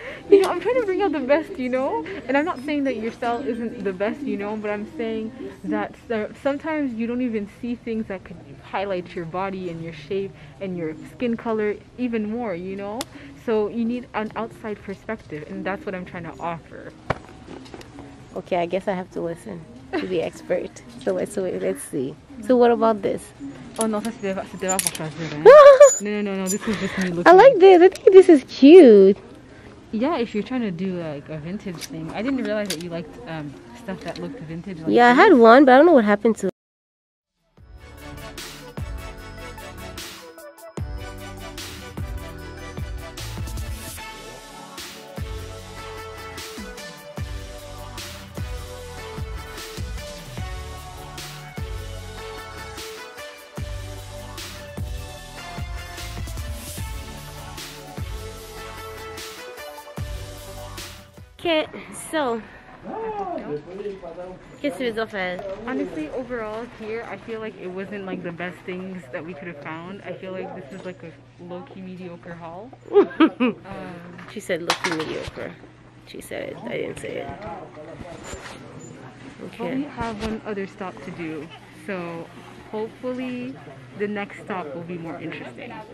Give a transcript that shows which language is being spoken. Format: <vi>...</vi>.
<en>you know, I'm trying to bring out the best, you know? And I'm not saying that your style isn't the best, you know, but I'm saying that sometimes you don't even see things that could highlight your body and your shape and your skin color even more, you know? So you need an outside perspective, and that's what I'm trying to offer. Okay, I guess I have to listen to the expert. So let's see. So what about this? Oh no,</en> <fr>c'était pas pour choisir.</fr> <en>No, this is just me looking. I like this. I think this is cute. Yeah, if you're trying to do like a vintage thing. I didn't realize that you liked stuff that looked vintage. Like yeah, this. I had one, but I don't know what happened to it. kit.</en> <fr>So, qu'est-ce que vous avez fait?</fr> <en>Honestly, overall here, I feel like it wasn't like the best things that we could have found. I feel like this is like a low-key mediocre haul. She said low-key mediocre. She said it. I didn't say it. Okay. Well, we have one other stop to do. So, hopefully, the next stop will be more interesting.</en>